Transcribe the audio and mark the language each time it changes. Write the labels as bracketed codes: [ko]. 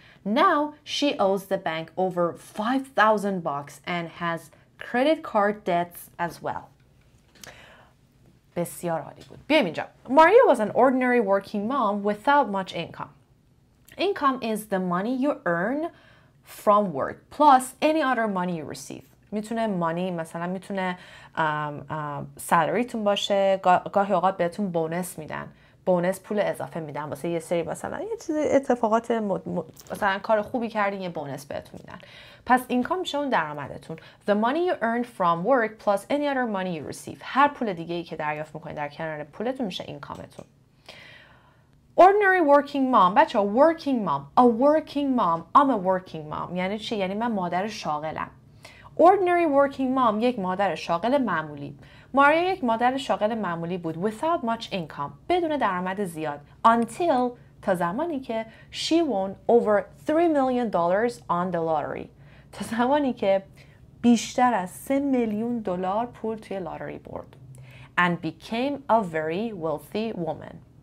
[en] Now, she owes the bank over 5,000 bucks and has credit card debts as well. [fa] بسیار عالی بود. بیایم اینجا. [en] Maria was an ordinary working mom without much income. Income is the money you earn from work plus any other money you receive. [fa] میتونه مانی مثلا میتونه سالریتون باشه. گاهی اوقات بهتون بونس میدن. بونس پول اضافه میدن واسه یه سری مثلا یه چیز اتفاقات مثلا کار خوبی کردین یه بونس بهتون میدن. پس اینکام میشه اون درآمدتون. [en] The money you earn from work plus any other money you receive. [fa] هر پول دیگه ای که دریافت میکنید در کنار پولتون میشه اینکامتون. [en] Ordinary working mom. بچه ها working mom. A working mom. I'm a working mom. [fa] یعنی چی؟ یعنی من مادر شاغلم. [en] Ordinary working mom. [fa] یک مادر شاغل معمولی. ماریا یک مادر شاغل معمولی بود [en] without much income [fa] بدون درآمد زیاد until تا زمانی که [en] she won over $3 million on the lottery [fa] تا زمانی که بیشتر از 3 میلیون دلار پول توی لاتری برد [en] and became a very wealthy woman.